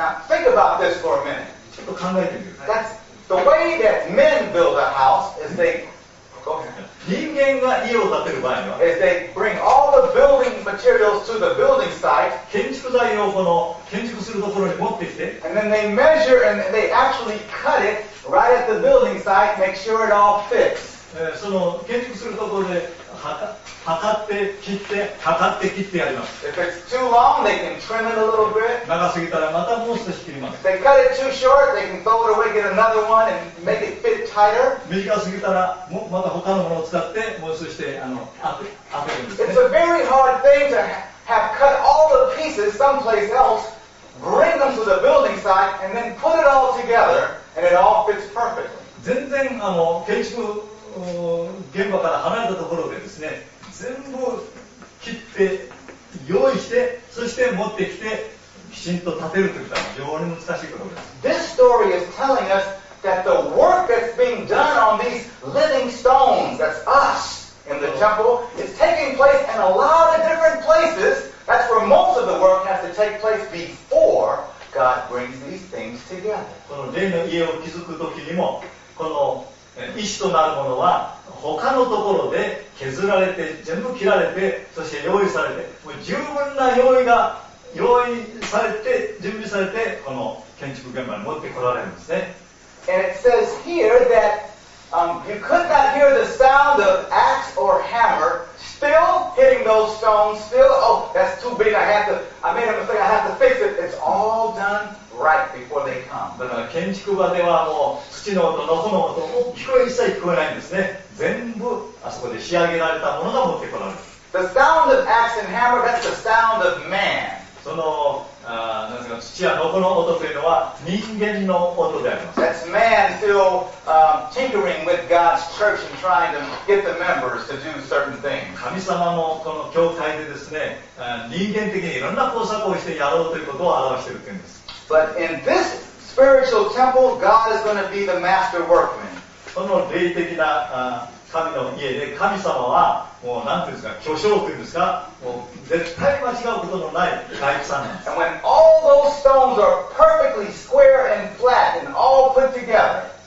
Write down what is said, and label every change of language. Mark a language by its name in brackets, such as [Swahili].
[English] Now, think about this for a minute. [Japanese] ちょっと考えてみる。 [English] That's The way that men build a house is they, [Japanese] 人間が家を建てる場合には、 [English] is they bring all the building materials to the building site, [Japanese] 建築材をこの建築するところに持ってきて、 [English] and then they measure and they actually cut it right at the building site, make sure it all fits. [Japanese] その建築するところで測って切って測って切ってやります。 [English] If it's too long, they can trim it a little bit. [Japanese] 長すぎたらまたもう少し切ります。 [English] If they cut it too short, they can throw it away, get another one, and make it fit tighter. [Japanese] 短すぎたらもまた他のものを使ってもう少しであの当てるんですね。 [English] It's a very hard thing to have cut all the pieces someplace else, bring them to the building site, and then put it all together, and it all fits perfectly. [Japanese] 全然あの建築現場から離れたところでですね、全部切って用意して、そして持ってきてきちんと建てるというのは非常に難しいことです。 [English] This story is telling us that the work that's being done on these living stones, that's us in the temple, is taking place in a lot of different places. That's where most of the work has to take place before God brings these things together. [Japanese] この霊の家を築くときにも、この石となるものは他のところで削られて全部切られてそして用意されてもう十分な用意が用意されて準備されてこの建築現場に持ってこられるんですね。 [English] And it says here that、you could not hear the sound of axe or hammer still hitting those stones still oh that's too big I have to I made a mistake I have to fix it it's all doneRight、before they come. [Japanese] だから建築場ではもう土の音、のこの音、大きい声一切聞こえないんですね。全部あそこで仕上げられたものが持ってこられる。 [English] The sound of axe and hammer, that's the sound of man. [Japanese] その、なんていうか、土やのこの音というのは人間の音であります。 [English] That's man still, tinkering with God's church and trying to get the members to do certain things. [Japanese] 神様もこの教会でですね、人間的にいろんな工作をしてやろうということを表しているというんです。 [English] But in this spiritual temple, God is going to be the master workman. [Japanese] その霊的な神の家で神様はもう何ていうんですか、巨匠というんですか、もう絶対間違うことのない大工さんなんです。 [English] And when all those stones are perfectly square and flat and all put together,